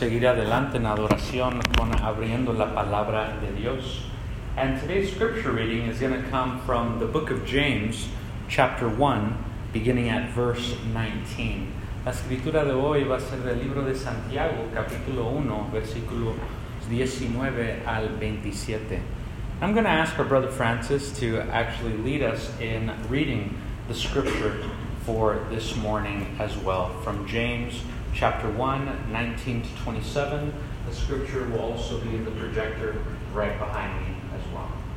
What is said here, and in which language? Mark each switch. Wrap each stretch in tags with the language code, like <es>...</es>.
<es>Seguir adelante en adoración con abriendo la palabra de Dios.</es> <en>And today's scripture reading is going to come from the book of James, chapter 1, beginning at verse 19.</en> <es>La escritura de hoy va a ser del libro de Santiago, capítulo 1, versículo 19 al 27.</es> <en>I'm going to ask our brother Francis to actually lead us in reading the scripture for this morning as well, from James chapter 1, 19 to 27. The scripture will also be in the projector right behind me as well.</en>